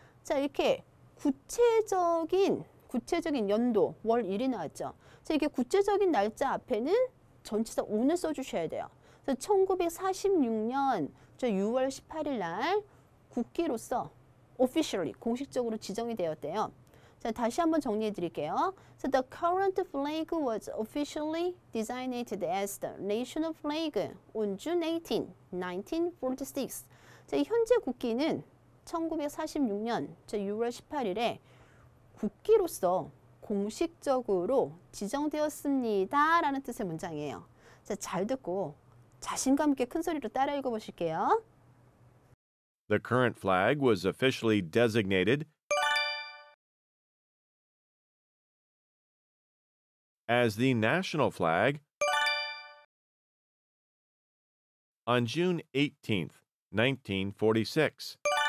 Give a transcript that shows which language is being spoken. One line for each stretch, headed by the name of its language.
Korean: 자, 이렇게 구체적인 연도, 월 1이 나왔죠. 자, 이렇게 구체적인 날짜 앞에는 전치사 오늘 써주셔야 돼요. 1946년 6월 18일 날 국기로서 officially, 공식적으로 지정이 되었대요. 자, 다시 한번 정리해 드릴게요.
English: So the current flag was officially designated as the national flag on June 18, 1946.
Korean: 자, 현재 국기는 1946년 6월 18일에 국기로서 공식적으로 지정되었습니다. 라는 뜻의 문장이에요. 자, 잘 듣고 자신감 있게 큰 소리로 따라 읽어 보실게요.
English: The current flag was officially designated as the national flag on June 18th, 1946.